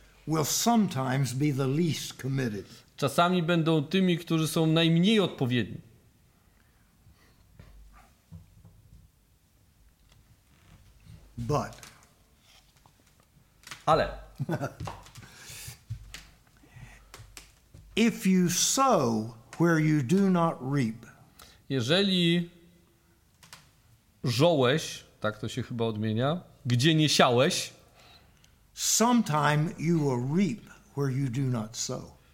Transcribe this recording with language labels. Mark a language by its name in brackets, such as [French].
[English] Will sometimes be the least committed. [Polish] Czasami będą tymi, którzy są najmniej odpowiedni. [English] But. [Polish] Ale. [English] If you sow where you do not reap. [Polish] Jeżeli żołeś, tak to się chyba odmienia, gdzie nie siałeś. [English] Sometime you will reap where you do not sow.